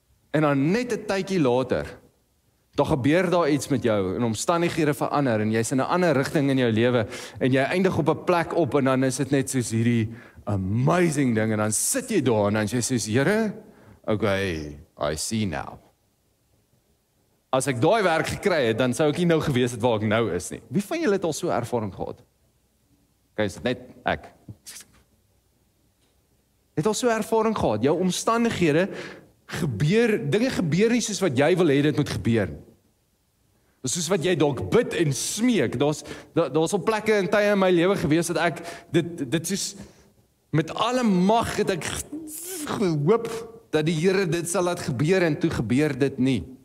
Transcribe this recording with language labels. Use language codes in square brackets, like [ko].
[af] En dan net 'n tydjie later, dan gebeur daar iets met jou en omstandighede verander en jy's in 'n ander rigting in jou lewe en jy eindig op 'n plek op en dan is dit net soos hierdie amazing ding en dan sit jy daar en dan sê jy soos Here, okay, [en] I see now. [af] As ek daai werk gekry het, dan sou ek nie nou gewees het waar ek nou is nie. Wie van julle het al so ervaring gehad? Okay, is dit net ek? Het al so ervaring gehad? Jou omstandighede gebeur, dinge gebeur nie soos wat jy wil hê dit moet gebeur. Soos wat jy dalk bid en smeek. Daar's al plekke en tye in my lewe gewees dat ek dit soos met alle mag het ek gehoop dat die Here dit sal laat gebeur en toe gebeur dit nie.